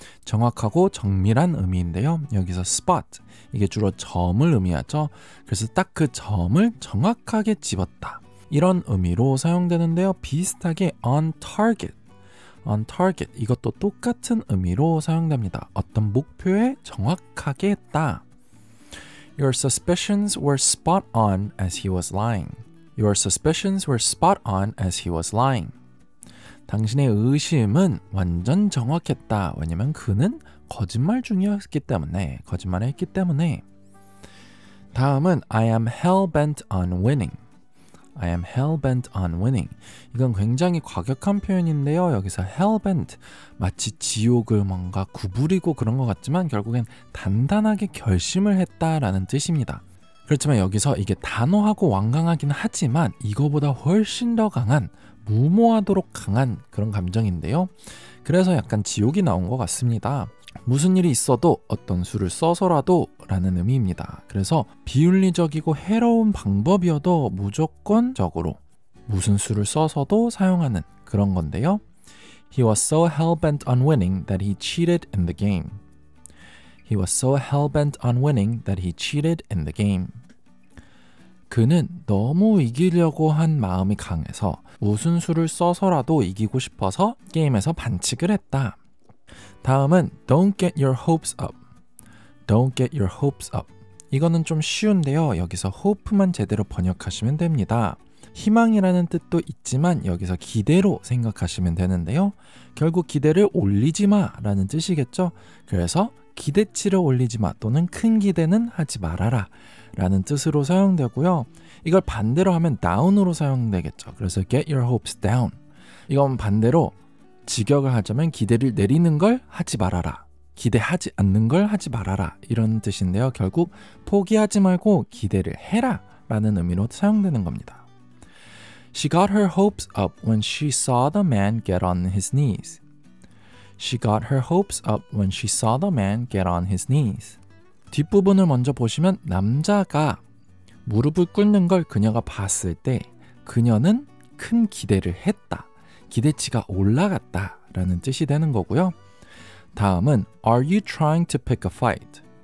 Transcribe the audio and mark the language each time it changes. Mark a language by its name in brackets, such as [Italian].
[Korean] 정확하고 정밀한 의미인데요. 여기서 spot, 이게 주로 점을 의미하죠. 그래서 딱 그 점을 정확하게 집었다, 이런 의미로 사용되는데요. 비슷하게 on target, on target, 이것도 똑같은 의미로 사용됩니다. 어떤 목표에 정확하게 했다. [English] Your suspicions were spot on as he was lying. Your suspicions were spot on as he was lying. [Korean] 당신의 의심은 완전 정확했다. 왜냐면 그는 거짓말 중이었기 때문에, 거짓말을 했기 때문에. 다음은 [English] I am hell-bent on winning. I am hell-bent on winning. [Korean] 이건 굉장히 과격한 표현인데요. 여기서 hell-bent, 마치 지옥을 뭔가 구부리고 그런 것 같지만 결국엔 단단하게 결심을 했다라는 뜻입니다. 그렇지만 여기서 이게 단호하고 완강하긴 하지만 이거보다 훨씬 더 강한, 무모하도록 강한 그런 감정인데요. 그래서 약간 지옥이 나온 것 같습니다. 무슨 일이 있어도, 어떤 수를 써서라도 라는 의미입니다. 그래서 비윤리적이고 해로운 방법이어도 무조건적으로 무슨 수를 써서도 사용하는 그런 건데요. [English] He was so hell-bent on winning that he cheated in the game. He was so hell-bent on winning that he cheated in the game. [Korean] 그는 너무 이기려고 한 마음이 강해서 무슨 수를 써서라도 이기고 싶어서 게임에서 반칙을 했다. 다음은 [English] Don't get your hopes up. Don't get your hopes up. [Korean] 이거는 좀 쉬운데요. 여기서 hope만 제대로 번역하시면 됩니다. 희망이라는 뜻도 있지만 여기서 기대로 생각하시면 되는데요. 결국 기대를 올리지 마라는 뜻이겠죠. 그래서 기대치를 올리지 마, 또는 큰 기대는 하지 말아라 라는 뜻으로 사용되고요. 이걸 반대로 하면 down으로 사용되겠죠. 그래서 [English] get your hopes down. [Korean] 이건 반대로 직역을 하자면 기대를 내리는 걸 하지 말아라, 기대하지 않는 걸 하지 말아라, 이런 뜻인데요. 결국 포기하지 말고 기대를 해라 라는 의미로 사용되는 겁니다. [English] She got her hopes up when she saw the man get on his knees. She got her hopes up when she saw the man get on his knees. [Korean] 뒷부분을 먼저 보시면 남자가 무릎을 꿇는 걸 그녀가 봤을 때 그녀는 큰 기대를 했다, 기대치가 올라갔다 라는 뜻이 되는 거고요. 다음은 [English] Are you trying to pick a fight?